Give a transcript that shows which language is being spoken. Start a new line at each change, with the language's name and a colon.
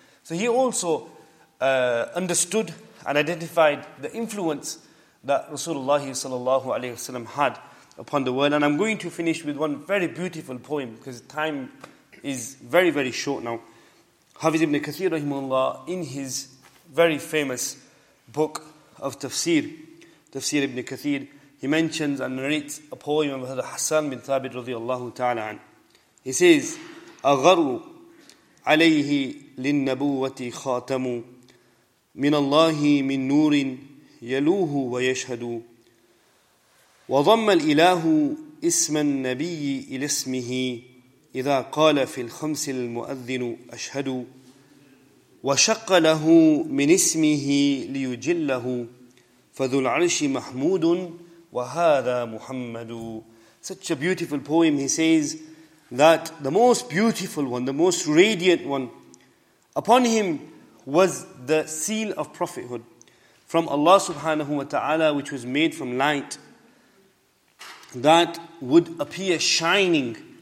English: So he also understood and identified the influence that Rasulullah sallallahu alayhi wa sallam had upon the world. And I'm going to finish with one very beautiful poem, because time is very, very short now. Hafiz ibn Kathir rahimahullah, in his very famous book of Tafsir, Tafsir ibn Kathir, he mentions and narrates a poem of Hassan bin Thabit radiallahu ta'ala an. He says,
Arabic: أَغَرُّ عَلَيْهِ لِلنَّبُوَّةِ خَاتَمُ مِنَ اللَّهِ مِنْ نُورٍ يَلُوهُ وَيَشْهَدُ وَضَمَّ الْإِلَهُ إِسْمَ النَّبِيِّ إِلَى اسْمِهِ إذا قال في الخمس المؤذن أشهد وشق له من اسمه ليجله فذو العرش محمود وهذا محمد.
English: Such a beautiful poem. He says that the most beautiful one, the most radiant one, upon him was the seal of prophethood from Allah subhanahu wa ta'ala, which was made from light that would appear shining.